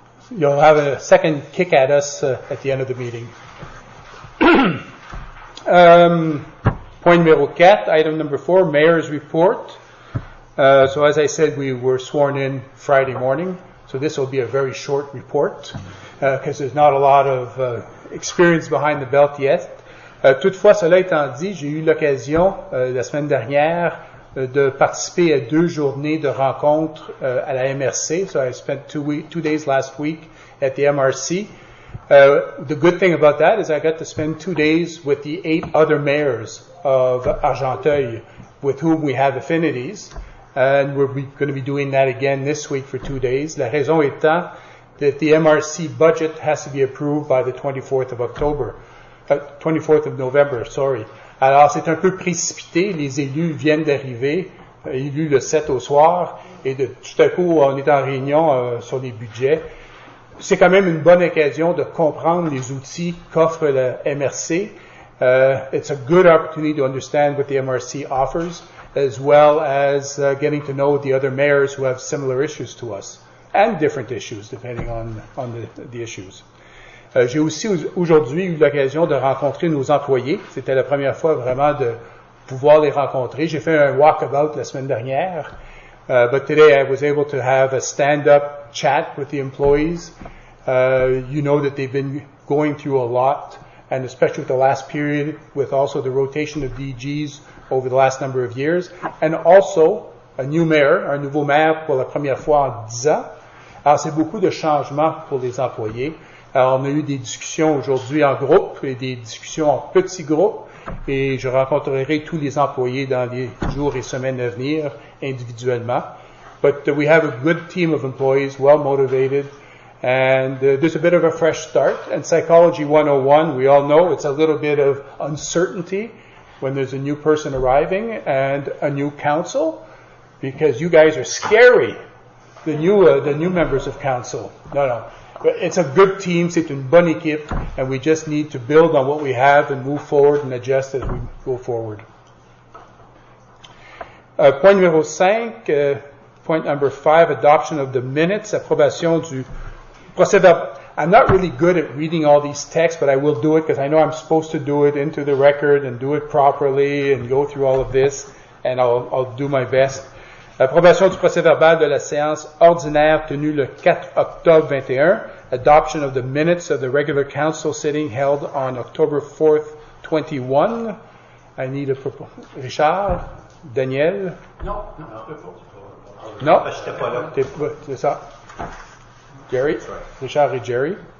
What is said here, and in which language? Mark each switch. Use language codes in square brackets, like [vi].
[en] You'll have a second kick at us at the end of the meeting. [fr] Point numéro 4, [en] item number 4, Mayor's Report. So as I said, we were sworn in Friday morning, so this will be a very short report, because there's not a lot of experience behind the belt yet. [fr] Toutefois, cela étant dit, j'ai eu l'occasion la semaine dernière de participer à deux journées de rencontres à la MRC. [en] So I spent two days last week at the MRC. The good thing about that is I got to spend 2 days with the 8 other mayors of Argenteuil, with whom we have affinities, and we're going to be doing that again this week for 2 days. [fr] La raison étant [en] that the MRC budget has to be approved by the 24th of October. 24th of November, sorry. [fr] Alors, c'est un peu précipité. Les élus viennent d'arriver, élus le 7 au soir, et de tout à coup, on est en réunion sur les budgets. C'est quand même une bonne occasion de comprendre les outils qu'offre la MRC. [en] It's a good opportunity to understand what the MRC offers, as well as getting to know the other mayors who have similar issues to us, and different issues, depending on the issues. [fr] J'ai aussi aujourd'hui eu l'occasion de rencontrer nos employés. C'était la première fois vraiment de pouvoir les rencontrer. J'ai fait un walkabout la semaine dernière. [en] But today I was able to have a stand-up chat with the employees. You know that they've been going through a lot, and especially with the last period, with also the rotation of DGs over the last number of years. And also, a new mayor, [fr] un nouveau maire pour la première fois en 10 ans. Alors, c'est beaucoup de changements pour les employés. Alors, on a eu des discussions aujourd'hui en groupe et des discussions en petits groupes, et je rencontrerai tous les employés dans les jours et semaines à venir individuellement. [en] But we have a good team of employees, well motivated, and there's a bit of a fresh start. And psychology 101, we all know it's a little bit of uncertainty when there's a new person arriving and a new council, because you guys are scary, the new members of council. No. It's a good team, [fr] c'est une bonne équipe, [en] and we just need to build on what we have and move forward and adjust as we go forward. Point number five, adoption of the minutes, [fr] approbation du procès verbal. [en] I'm not really good at reading all these texts, but I will do it because I know I'm supposed to do it into the record and do it properly and go through all of this, and I'll do my best. [fr] Approbation du procès verbal de la séance ordinaire tenue le 4 octobre 21. [en] Adoption of the minutes of the regular council sitting held on October 4th, 21. I need a proposal. Richard? Daniel? No. Jerry? Richard et Jerry?